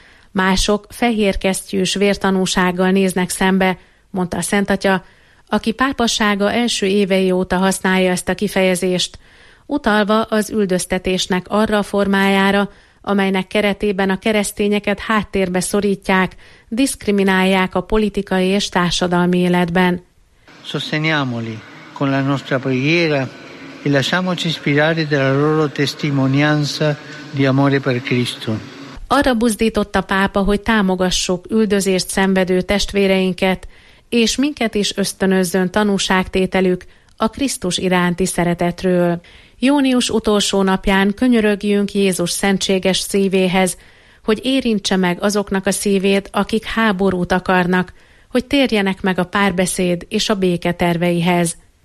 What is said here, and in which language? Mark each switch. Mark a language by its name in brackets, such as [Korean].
[Hungarian] Mások fehérkesztyűs vértanúsággal néznek szembe, mondta a Szentatya, aki pápasága első évei óta használja ezt a kifejezést, utalva az üldöztetésnek arra a formájára, amelynek keretében a keresztényeket háttérbe szorítják, diszkriminálják a politikai és társadalmi életben. [Italian] Sosteniamoli con la nostra preghiera e lasciamoci ispirare della loro testimonianza di amore per Cristo. [Hungarian] Arra buzdított a pápa, hogy támogassuk üldözést szenvedő testvéreinket, és minket is ösztönözzön tanúságtételük a Krisztus iránti szeretetről. Június utolsó napján könyörögjünk Jézus szentséges szívéhez, hogy érintse meg azoknak a szívét, akik háborút akarnak, hogy térjenek meg a párbeszéd és a béke terveihez.